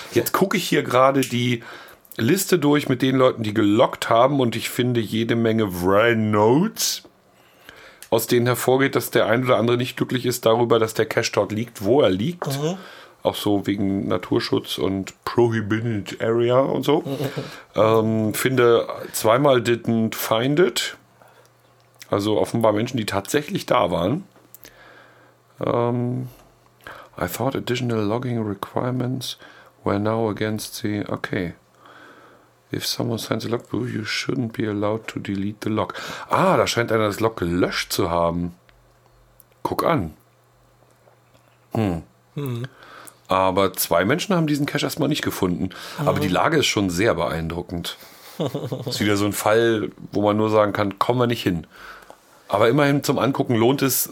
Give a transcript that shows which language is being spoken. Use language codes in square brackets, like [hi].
[de] Jetzt gucke ich hier gerade die Liste durch mit den Leuten, die gelockt haben, und ich finde jede Menge Vrainotes, aus denen hervorgeht, dass der ein oder andere nicht glücklich ist darüber, dass der Cache dort liegt, wo er liegt. Mhm. Auch so wegen Naturschutz und Prohibited Area und so. Finde zweimal [en] didn't find it. [de] Also offenbar Menschen, die tatsächlich da waren. [en] I thought additional logging requirements were now against the... Okay. If someone sends a logbook, you shouldn't be allowed to delete the log. [de] Ah, da scheint einer das Log gelöscht zu haben. Guck an. Hm. Aber zwei Menschen haben diesen Cache erstmal nicht gefunden. Aber die Lage ist schon sehr beeindruckend. Ist wieder so ein Fall, wo man nur sagen kann, kommen wir nicht hin. Aber immerhin zum Angucken lohnt es.